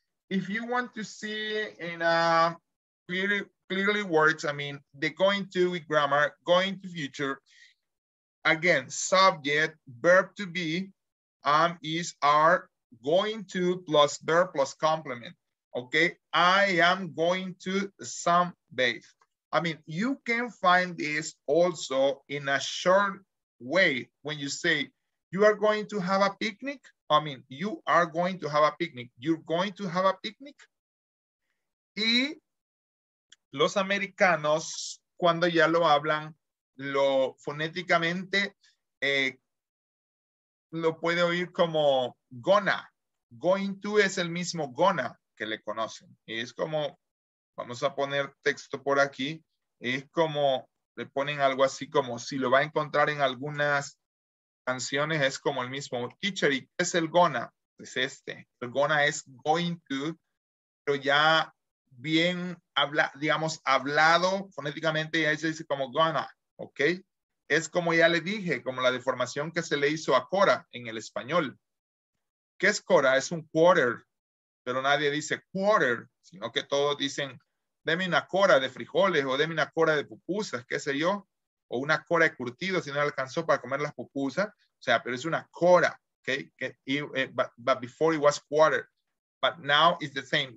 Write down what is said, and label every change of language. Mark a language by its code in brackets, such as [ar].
[en] If you want to see in a clearly words, I mean, the going to with grammar, going to future, again, subject, verb to be, is are going to plus verb plus complement, okay? I am going to sunbathe. I mean, you can find this also in a short way when you say you are going to have a picnic. I mean, you are going to have a picnic. You're going to have a picnic. [es] Y los americanos, cuando ya lo hablan, lo fonéticamente lo puede oír como gonna. Going to es el mismo gonna que le conocen. Y es como, vamos a poner texto por aquí. Es como, le ponen algo así como, si lo va a encontrar en algunas canciones, es como el mismo teacher. ¿Y qué es el gonna? Es este. El gonna es going to, pero ya bien, hablado fonéticamente, ya se dice como gonna, ¿ok? Es como ya le dije, como la deformación que se le hizo a Cora en el español. ¿Qué es Cora? Es un quarter, pero nadie dice quarter, sino que todos dicen deme una cora de frijoles o deme una cora de pupusas, qué sé yo, o una cora de curtido si no alcanzó para comer las pupusas, o sea, pero es una cora, okay? [en] But before it was quarter, but now it's the same.